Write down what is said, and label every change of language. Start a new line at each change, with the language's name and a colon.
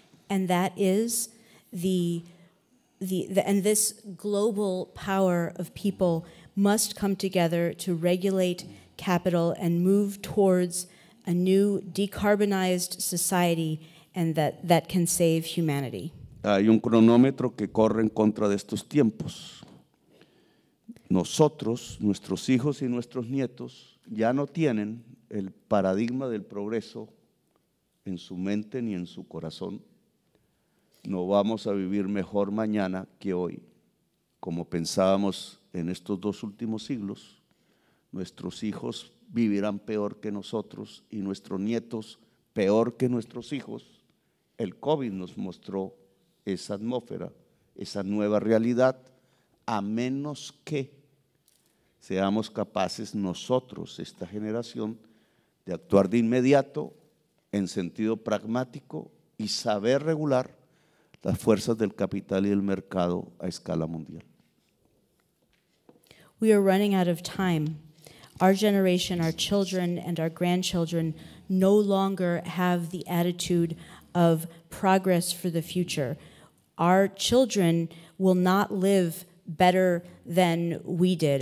English: And that is and this global power of people must come together to regulate capital and move towards a new decarbonized society and that can save humanity.
Spanish: Hay un cronómetro que corre en contra de estos tiempos. Nosotros, nuestros hijos y nuestros nietos ya no tienen el paradigma del progreso en su mente ni en su corazón. No vamos a vivir mejor mañana que hoy. Como pensábamos en estos dos últimos siglos, nuestros hijos vivirán peor que nosotros y nuestros nietos peor que nuestros hijos. El COVID nos mostró esa atmósfera, esa nueva realidad, a menos que seamos capaces nosotros, esta generación, de actuar de inmediato, en sentido pragmático y saber regular las fuerzas del capital y del mercado a escala mundial.
English: We are running out of time. Our generation, our children and our grandchildren no longer have the attitude of progress for the future. Our children will not live better than we did.